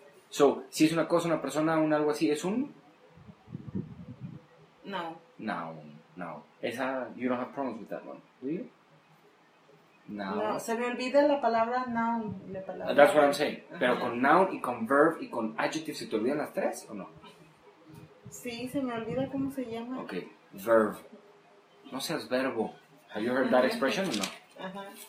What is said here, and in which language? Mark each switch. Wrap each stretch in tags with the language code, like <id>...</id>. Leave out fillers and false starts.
<es>So, si es una cosa, una persona, un algo así, es un?</es> <en>Noun. Noun. Noun. Esa, you don't have problems with that one, do you?</en> <es>No, se me olvida la palabra noun. La palabra.</es> <en>That's what I'm saying. Uh-huh.</en> <es>Pero con noun y con verb y con adjective, ¿se te olvidan las tres o no? Sí, se me olvida cómo se llama.</es> <en>Okay, verb.</en> <es>No seas verbo.</es> <en>Have you heard that expression o no? Ajá.</en>